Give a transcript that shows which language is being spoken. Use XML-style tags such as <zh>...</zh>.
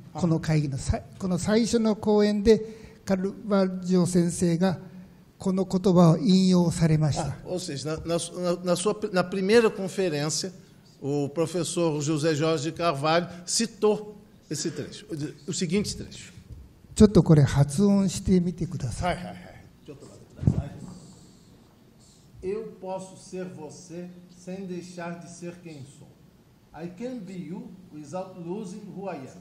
<ja>この会議のこの最初の講演でカルバルジョ先生がこの言葉を引用されました。</ja> <pt>Ou seja, na primeira conferência, o professor José Jorge de Carvalho citou esse trecho, o seguinte trecho.</pt> <ja>ちょっとこれ発音してみてください。はいはいはい。ちょっと待ってください。</ja> <pt>Eu posso ser você sem deixar de ser quem sou.</pt> <en>I can be you without losing who I am.</en>